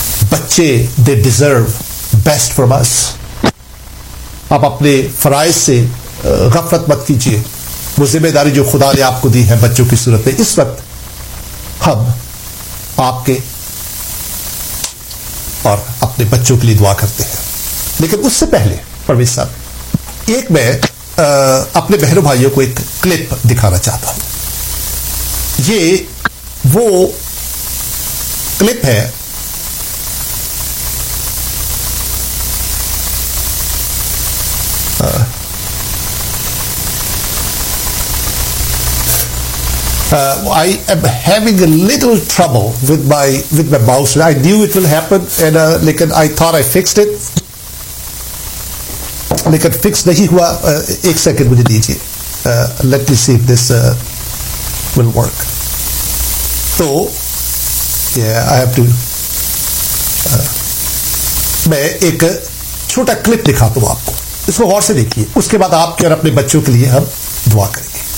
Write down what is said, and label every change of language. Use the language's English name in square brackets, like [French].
[English] بچے they deserve best from us. [Urdu] آپ اپنے فرائض سے غفلت مت کیجیے. وہ ذمہ داری جو خدا نے آپ کو دی ہے بچوں کی صورت میں، اس وقت ہم آپ کے اور اپنے بچوں کے لیے دعا کرتے ہیں. لیکن اس سے پہلے پرویز صاحب، ایک میں اپنے بہنوں بھائیوں کو ایک کلپ دکھانا چاہتا ہوں. یہ وہ کلپ ہے [English] I am having a little trouble with my mouse. I knew it will happen and [Urdu] لیکن [English] I thought I fixed it. [Urdu] لیکن فکس نہیں ہوا. ایک سیکنڈ مجھے دیجیے. [English] Let me see if this will work. [Urdu] تو [English] yeah, I have to [Urdu] میں ایک چھوٹا کلپ دکھاتا ہوں آپ کو، اس کو غور سے دیکھیے. اس کے بعد آپ کے اور اپنے بچوں کے لیے ہم دعا کریں.